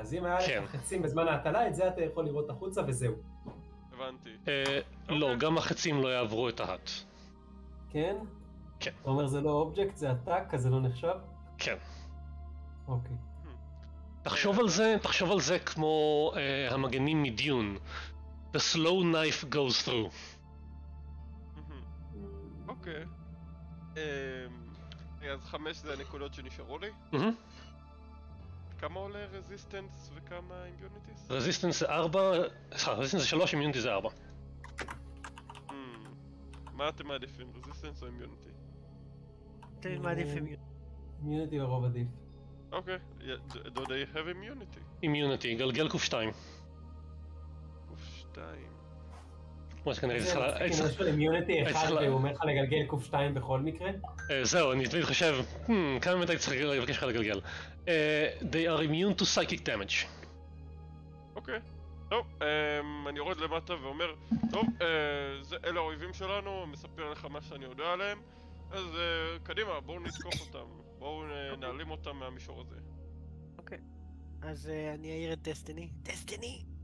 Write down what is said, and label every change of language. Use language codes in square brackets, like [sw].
[he] אז אם היה לך חצים בזמן ההטלה, את זה אתה יכול לראות החוצה וזהו. הבנתי. לא, גם החצים לא יעברו את ההט. כן? כן. אתה אומר זה לא אובייקט, זה הטאק, אז זה לא נחשב? כן. אוקיי. תחשוב על זה, תחשוב על זה כמו המגנים מדיון. [en] The slow knife goes through. [he] אוקיי. אז 5 זה הנקודות שנשארו לי. כמה עולה רזיסטנס וכמה אימיוניטיס? רזיסטנס זה 4, רזיסטנס זה 3, אימיוניטיס זה 4. מה אתם מעדיפים, רזיסטנס או אימיוניטי? אתם מעדיפים אימיוניטי לרוב עדיף. [en] אוקיי, do they have immunity? [he] אימיוניטי, גלגל קוף 2. קוף 2. כמו שכנראה, צריך לה... יש לו אימיוניטי אחד והוא אומר לך לגלגל קוף 2 בכל מקרה? זהו, אני תמיד חושב, כמה באמת הייתי צריך לבקש לך לגלגל. [en] They are immune to psychic damage. [he] אוקיי. טוב, אני יורד למטה ואומר, טוב, אלה האויבים שלנו, מספר לך מה שאני יודע עליהם, אז קדימה, בואו נתקוף אותם, בואו נעלים אותם מהמישור הזה. אוקיי, אז אני אעיר את דסטיני. דסטיני!